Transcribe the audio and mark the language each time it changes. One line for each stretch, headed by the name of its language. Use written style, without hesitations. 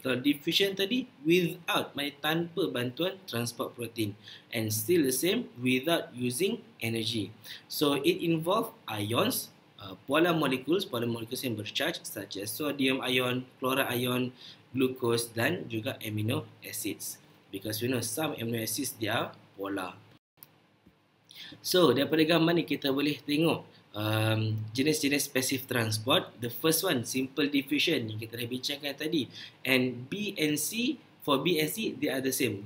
Malay: Kalau diffusion tadi without, maknanya tanpa bantuan transport protein,
English: and still the same without using energy. So it involve ions, polar molecules
Malay: yang bercharge
English: such as sodium ion, chloride ion, glucose
Malay: dan juga
English: amino acids. Because we know some amino acids they are polar.
Malay: So, daripada gambar ni kita boleh tengok jenis-jenis passive transport.
English: The first one, simple diffusion
Malay: yang kita dah bincangkan tadi.
English: And B and C, for B and C, they are the same.